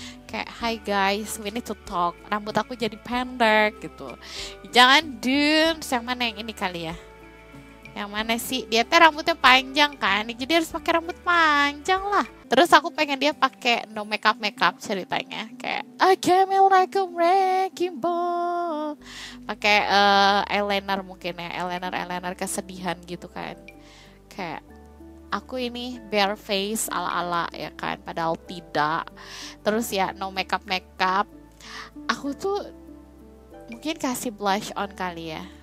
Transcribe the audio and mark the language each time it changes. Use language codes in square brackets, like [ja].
[en] Kayak, hi guys, we need to talk. [id] Rambut aku jadi pendek gitu. Jangan dudes, yang mana yang ini kali ya? Yang mana sih? Dia teh rambutnya panjang kan, jadi harus pakai rambut panjang lah. Terus aku pengen dia pakai [en] no makeup makeup [id] ceritanya. [en] Kayak, I came like a wrecking ball. [id] Pakai eyeliner mungkin ya, eyeliner kesedihan gitu kan. Kayak, aku ini bare face ala-ala ya kan, padahal tidak. Terus ya, no makeup makeup. Aku tuh mungkin kasih blush on kali ya.